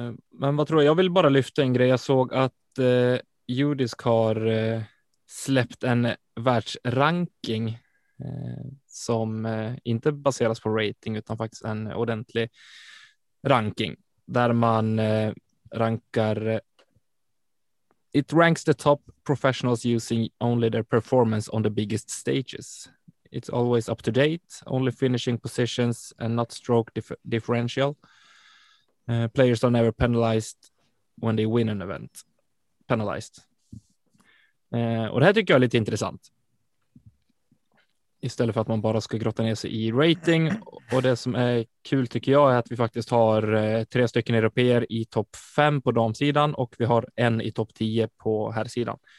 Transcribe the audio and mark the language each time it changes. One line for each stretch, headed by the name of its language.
Swedish: Men vad tror jag? Jag vill bara lyfta en grej. Jag såg att Judisk har släppt en världsranking som inte baseras på rating utan faktiskt en ordentlig ranking där man rankar.
English: It ranks the top professionals using only their performance on the biggest stages. It's always up to date, only finishing positions and not stroke differential. Players are never penalized when they win an event. Penalized.
Swedish: Och det här tycker jag är lite intressant. Istället för att man bara ska grotta ner sig i rating. Och det som är kul tycker jag är att vi faktiskt har tre stycken europeer i topp 5 på damsidan. Och vi har en i topp 10 på här sidan.